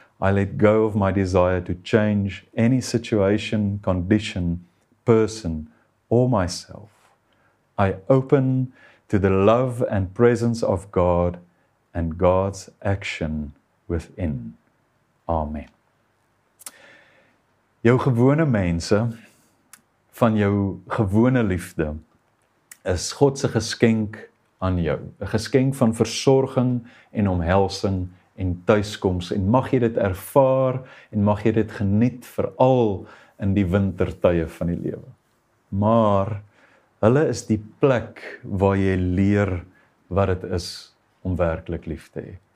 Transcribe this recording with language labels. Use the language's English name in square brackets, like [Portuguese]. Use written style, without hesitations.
[English] I let go of my desire to change any situation, condition, person or myself. I open to the love and presence of God and God's action within. Amen. [Afrikaans] Jou gewone mense van jou gewone liefde is God se geskenk aan jou. 'N geskenk van versorging en omhelsing en tuiskoms. En mag jy dit ervaar en mag jy dit geniet veral in die wintertye van die lewe. Maar hulle is die plek waar jy leer wat dit is om werklik lief te hê.